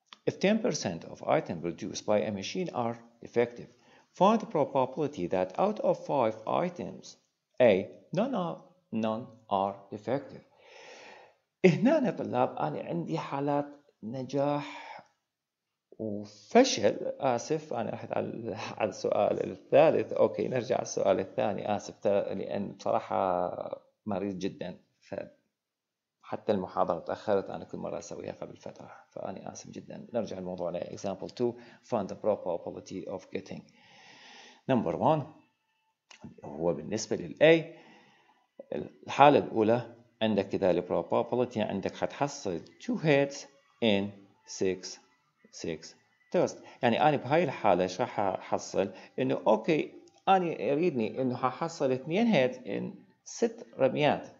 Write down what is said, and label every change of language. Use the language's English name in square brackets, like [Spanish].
[English] If 10% of items produced by a machine are defective, find the probability that out of 5 items A none are defective. [Arabic] هنا يا طلاب أنا عندي حالات نجاح وفشل. آسف أنا رحت على السؤال الثالث. أوكي نرجع على السؤال الثاني، آسف لأن بصراحة مريض جدا، ف حتى المحاضرة تأخرت، أنا كل مرة أسويها قبل فترة، فأني آسف جدا. نرجع الموضوع لـ example 2. [English] Find the probability of getting number 1. [Arabic] هو بالنسبة للـ A، الحالة الأولى عندك كذا الـ probability عندك حتحصل [English] 2 heads in 6 toast. [Arabic] يعني أنا بهاي الحالة شو راح أحصل؟ إنه أوكي أنا أريدني إنه ححصل [English] 2 heads in 6 [Arabic] رميات.